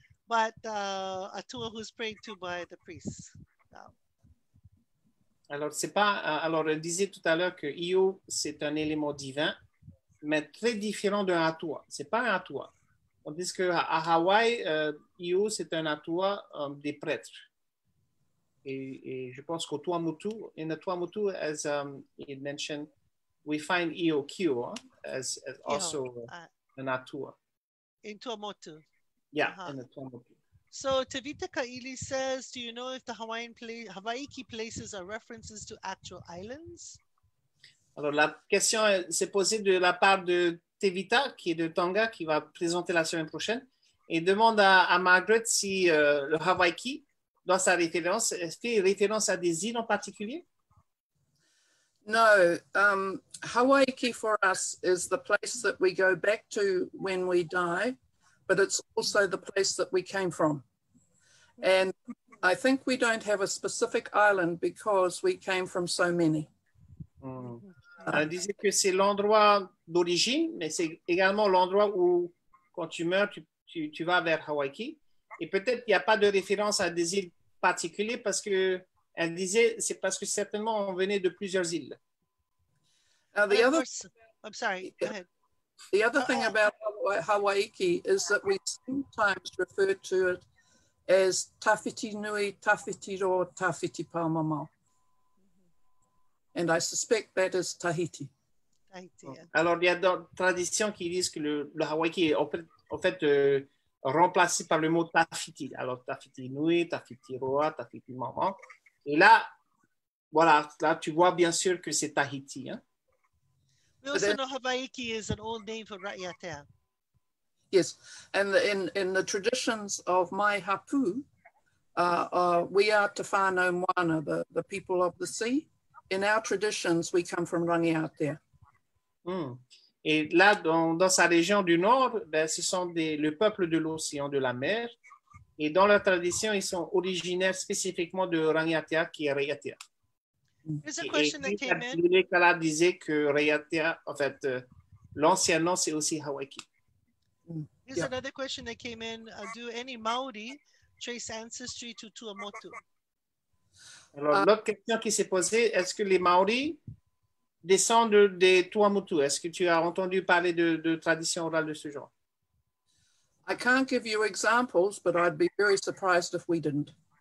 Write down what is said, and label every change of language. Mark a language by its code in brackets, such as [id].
[en] But Atua who's prayed to by the priests. No. [fr] Alors, c'est pas. Alors, on disait tout à l'heure que Io, c'est un élément divin. Mais très différent d'un atua. C'est pas un atua. On dit que à Hawaï, Io, c'est un atua des prêtres. Et je pense qu'au Tuamotu, [en] in the Tuamotu, as he mentioned, we find Io Kio as Io, also an atua. In Tuamotu. Yeah, uh-huh. In the Tuamotu. So Tevita Kaili says, do you know if the Hawaiki places are references to actual islands? [fr] Alors, la question s'est posée de la part de Tevita, qui est de Tonga, qui va présenter la semaine prochaine, et demande à Margaret si le Hawaiki doit sa référence, fait référence à des îles en particulier? [en] No, Hawaiki for us is the place that we go back to when we die, but it's also the place that we came from. And I think we don't have a specific island because we came from so many. [fr] Disait que c'est l'endroit d'origine, mais c'est également l'endroit où, quand tu meurs, tu vas vers Hawaiki. Et peut-être qu'il n'y a pas de référence à des îles particulières parce que, elle disait, c'est parce que certainement on venait de plusieurs îles. [en] I'm sorry, go ahead. The other thing about Hawaiki is that we sometimes refer to it as Tawhiti Nui, Tawhiti Ro, Tawhiti Paumamau. And I suspect that is Tahiti. [fr] Alors, il y a d'autres traditions qui disent que le Hawaiki est en fait remplacé par le mot Tawhiti. Alors, Tawhiti Nui, Tawhiti Roa, Tawhiti Mama. Et là, voilà, là, tu vois bien sûr que c'est Tahiti. Hein? [en] We also know Hawaiki is an old name for Raiatea. Yes, and in the traditions of my hapu, we are Te Whanau Moana, the people of the sea. In our traditions, we come from Rangiatea. Mm. [fr] Et là, dans sa région du nord, ben, ce sont le peuple de l'océan, de la mer. Et dans la tradition, ils sont originaires spécifiquement de Rangiatea, qui est Raiatea. [en] There's a question that came in. [fr] Lilikalā disait que Raiatea, en fait, l'ancien nom, c'est aussi Hawaiki. [en] There's another question that came in. Do any Maori trace ancestry to Tuamotu? [fr] Alors, l'autre question qui s'est posée, est-ce que les Maoris descendent des Tuamotu? Est-ce que tu as entendu parler de tradition orale de ce genre? [en] I can't give you examples, but I'd be very surprised if we didn't.